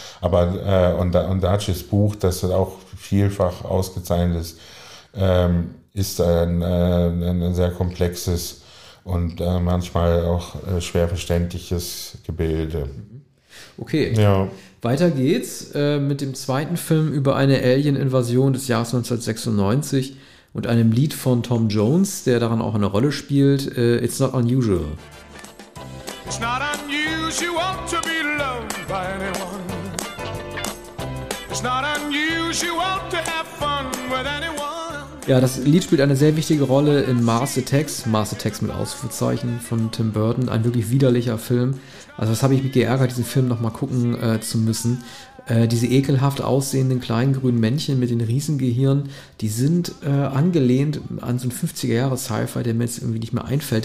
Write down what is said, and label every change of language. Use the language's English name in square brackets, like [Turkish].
[German] Aber und Dacis Buch, das auch vielfach ausgezeichnet ist, ist ein sehr komplexes und manchmal auch schwer verständliches Gebilde. Okay, ja. Weiter geht's mit dem zweiten Film über eine Alien-Invasion des Jahres 1996 und einem Lied von Tom Jones, der daran auch eine Rolle spielt, It's Not Unusual. [English] It's not unusual to be loved by anyone. It's not unusual to have fun with anyone. [German] Ja, das Lied spielt eine sehr wichtige Rolle in Mars Attacks mit Ausrufezeichen von Tim Burton, ein wirklich widerlicher Film. Also das habe ich mich geärgert, diesen Film nochmal gucken zu müssen. Diese ekelhaft aussehenden kleinen grünen Männchen mit den Riesengehirn, die sind angelehnt an so ein 50er-Jahre-Sci-Fi, der mir jetzt irgendwie nicht mehr einfällt.